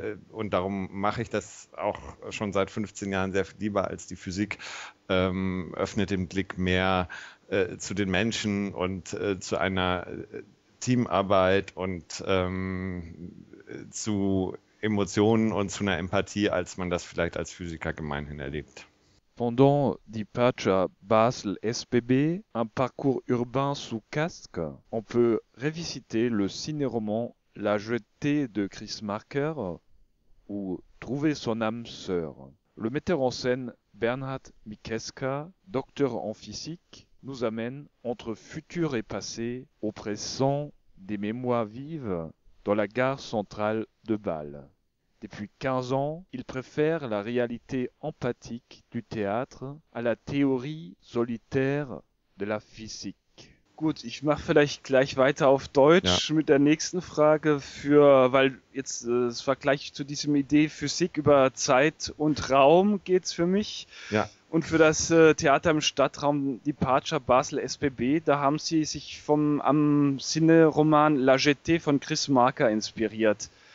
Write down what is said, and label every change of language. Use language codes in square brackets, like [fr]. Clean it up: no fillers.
[de] Und darum mache ich das auch schon seit 15 Jahren sehr viel lieber als die Physik. Öffnet den Blick mehr zu den Menschen und zu einer Teamarbeit und zu Emotionen und zu einer Empathie, als man das vielleicht als Physiker gemeinhin erlebt. [fr] Pendant Departure Basel SBB, un parcours urbain sous casque, on peut revisiter le ciné-roman La jetée de Chris Marker ou Trouver son âme sœur. Le metteur en scène Bernhard Mikeska, docteur en physique, nous amène entre futur et passé, au présent des mémoires vives dans la gare centrale de Bâle. Depuis 15 ans, il préfère la réalité empathique du théâtre à la théorie solitaire de la physique. [de] Gut, ich mache vielleicht gleich weiter auf Ja. Deutsch mit der nächsten Frage, weil jetzt es war gleich zu diesem Idee Physik über Zeit und Raum geht's für mich. Ja. Und für das Theater im Stadtraum Departure Basel SBB, da haben Sie sich am Sinne-Roman La Jetée von Chris Marker inspiriert.